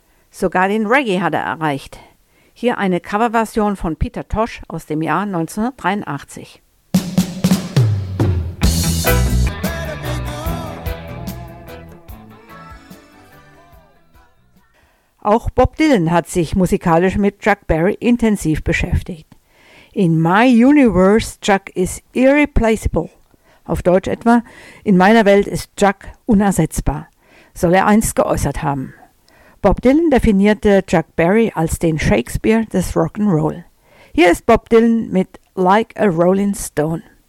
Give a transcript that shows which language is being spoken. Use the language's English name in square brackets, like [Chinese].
[German] Sogar den Reggae hat er erreicht. Hier eine Coverversion von Peter Tosh aus dem Jahr 1983. Auch Bob Dylan hat sich musikalisch mit Chuck Berry intensiv beschäftigt. [English] In My Universe, Chuck is irreplaceable. [German] Auf Deutsch etwa, in meiner Welt ist Chuck unersetzbar, soll er einst geäußert haben. Bob Dylan definierte Chuck Berry als den Shakespeare des Rock'n'Roll. Hier ist Bob Dylan mit Like a Rolling Stone.